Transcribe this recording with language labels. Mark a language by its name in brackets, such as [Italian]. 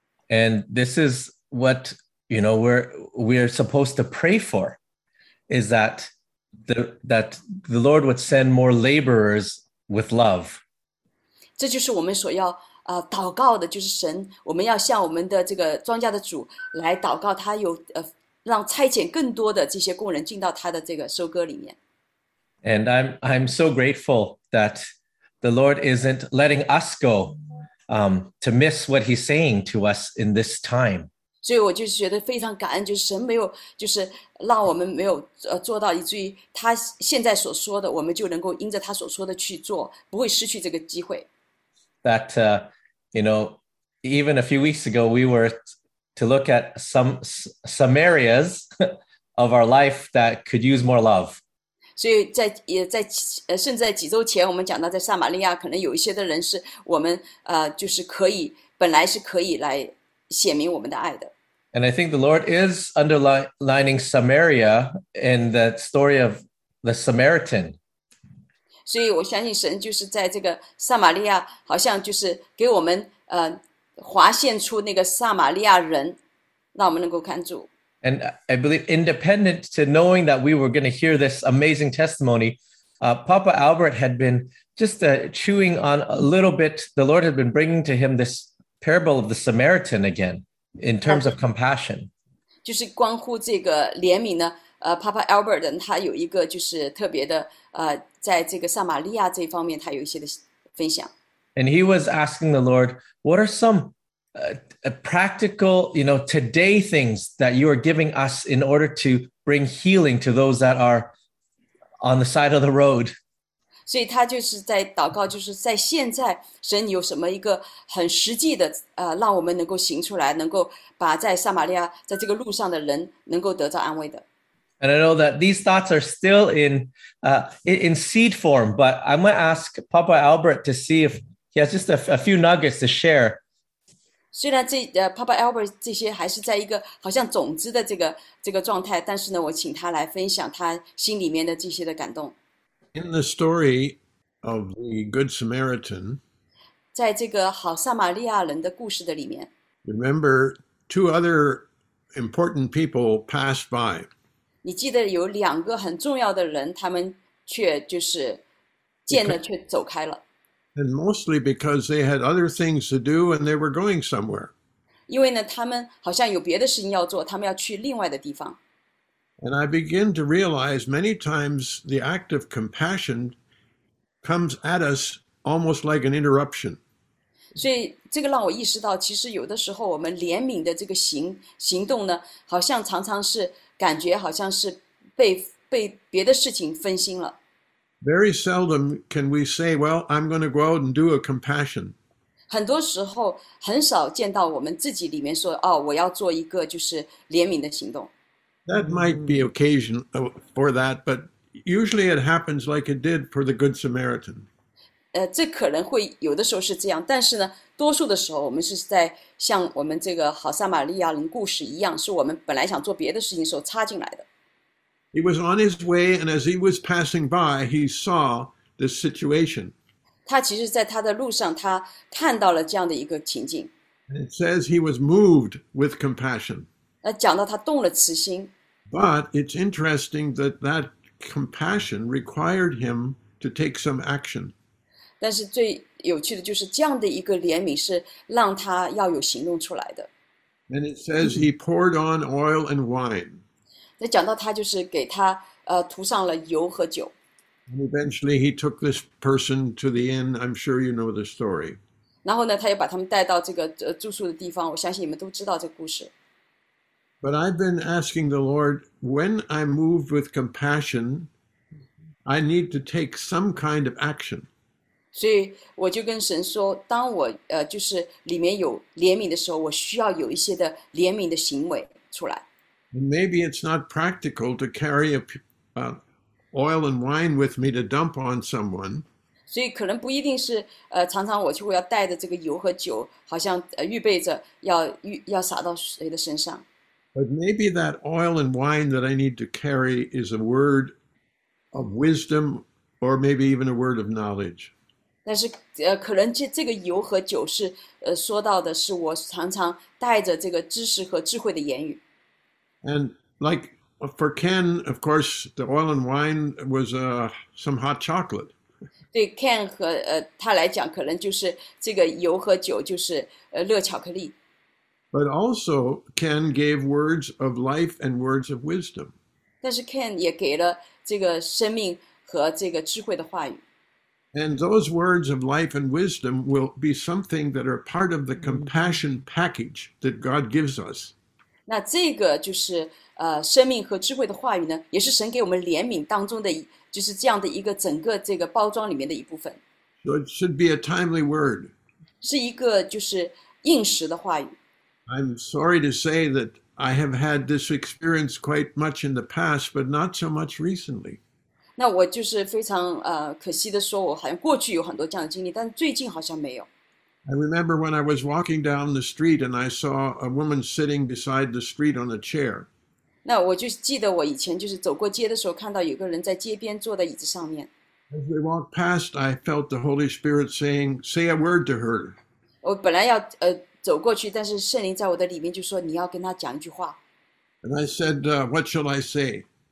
[English] And this is what, you know, we're supposed to pray for. is that the Lord would send more laborers with love. [Chinese] 这就是我们所要祷告的，就是神，我们要向我们的这个庄稼的主来祷告，他有让差遣更多的这些工人进到他的这个收割里面。 [English] And I'm so grateful that the Lord isn't letting us go to miss what he's saying to us in this time. [Chinese] 所以我就觉得非常感恩，就是神没有，就是让我们没有做到，以至于他现在所说的，我们就能够因着他所说的去做，不会失去这个机会。 [English] That, you know, even a few weeks ago, we were to look at some areas of our life that could use more love. [Chinese] 所以在也在甚至在几周前，我们讲到在撒玛利亚，可能有一些的人是我们就是可以本来是可以来显明我们的爱的。 [English] And I think the Lord is underlining Samaria in the story of the Samaritan. [Chinese] 所以我相信神就是在这个撒玛利亚，好像就是给我们划线出那个撒玛利亚人，让我们能够看住。 [English] And I believe, independent to knowing that we were going to hear this amazing testimony, Papa Albert had been just chewing on a little bit. The Lord had been bringing to him this parable of the Samaritan again, in terms of compassion. [Chinese] 就是关乎这个怜悯呢。Papa Albert 他有一个就是特别的在这个撒玛利亚这方面他有一些的分享。 [English] And he was asking the Lord, what are some practical, you know, today things that you are giving us in order to bring healing to those that are on the side of the road? [Chinese] 所以他就是在祷告，就是在现在神有什么一个很实际的让我们能够行出来，能够把在撒玛利亚在这个路上的人能够得到安慰的。 [English] And I know that these thoughts are still in seed form, but I'm going to ask Papa Albert to see if he has just a few nuggets to share. [Chinese] 虽然这Papa Albert 这些还是在一个好像种子的这个状态，但是呢，我请他来分享他心里面的这些的感动。 [English] In the story of the Good Samaritan, [Chinese] 在这个好撒玛利亚人的故事的里面 [English] ，Remember two other important people passed by. [Chinese] 你记得有两个很重要的人，他们却就是见了却走开了。 [English] And mostly because they had other things to do and they were going somewhere. [Chinese] 因为呢，他们好像有别的事情要做，他们要去另外的地方。 [English] And I begin to realize many times the act of compassion comes at us almost like an interruption. [Chinese] 所以这个让我意识到，其实有的时候我们怜悯的这个行动呢，好像常常是感觉好像是被别的事情分心了。 [English] Very seldom can we say, well, I'm going to go out and do a compassion. [Chinese] 很多时候很少见到我们自己里面说、哦、我要做一个就是怜悯的行动。 [English] That might be occasion for that, but usually it happens like it did for the Good Samaritan. [Chinese] 这可能会有的时候是这样，但是呢，多数的时候我们是在像我们这个好撒玛利亚人故事一样，是我们本来想做别的事情的时候插进来的。 [English] He was on his way, and as he was passing by, he saw this situation. [Chinese] 他其实在他的路上，他看到了这样的一个情景。 [English] It says he was moved with compassion. [Chinese] 讲到他动了慈心。 [English] But it's interesting that that compassion required him to take some action. [Chinese] 但是最有趣的就是这样的一个怜悯是让他要有行动出来的。 [English] And it says he poured on oil and wine. [Chinese] 那讲到他就是给他涂上了油和酒。 [English] And eventually he took this person to the inn. I'm sure you know the story. [Chinese] 然后呢，他又把他们带到这个住宿的地方。我相信你们都知道这个故事。 [English] But I've been asking the Lord, when I'm moved with compassion, I need to take some kind of action. [Chinese] 所以我就跟神说，当我就是里面有怜悯的时候，我需要有一些的怜悯的行为出来。 [English] Maybe it's not practical to carry oil and wine with me to dump on someone. [Chinese] 所以可能不一定是常常我就要带着这个油和酒，好像预备着要洒到谁的身上。 [English] But maybe that oil and wine that I need to carry is a word of wisdom, or maybe even a word of knowledge. [Chinese] 但是可能这个油和酒是说到的是我常常带着这个知识和智慧的言语。 [English] And like for Ken, of course, the oil and wine was some hot chocolate. [Chinese] 对 Ken 和他来讲，可能就是这个油和酒，就是热巧克力。 [English] But also, Ken gave words of life and words of wisdom. [Chinese] 但是 Ken 也给了这个生命和这个智慧的话语。 [English] And those words of life and wisdom will be something that are part of the compassion package that God gives us. [Chinese] 那这个就是生命和智慧的话语呢，也是神给我们怜悯当中的，就是这样的一个整个这个包装里面的一部分。 [English] So it should be a timely word. [Chinese] 是一个就是应时的话语。 [English] I'm sorry to say that I have had this experience quite much in the past, but not so much recently. [Chinese] 那我就是非常可惜的说，我好像过去有很多这样的经历，但最近好像没有。 [English] I remember when I was walking down the street and I saw a woman sitting beside the street on a chair. [Chinese] 那我就记得我以前就是走过街的时候，看到有个人在街边坐在椅子上面。 [English] As we walked past, I felt the Holy Spirit saying, "Say a word to her." [Chinese] 我本来要走过去，但是圣灵在我的里面就说你要跟他讲一句话。 [English] And I said, "What shall I say?"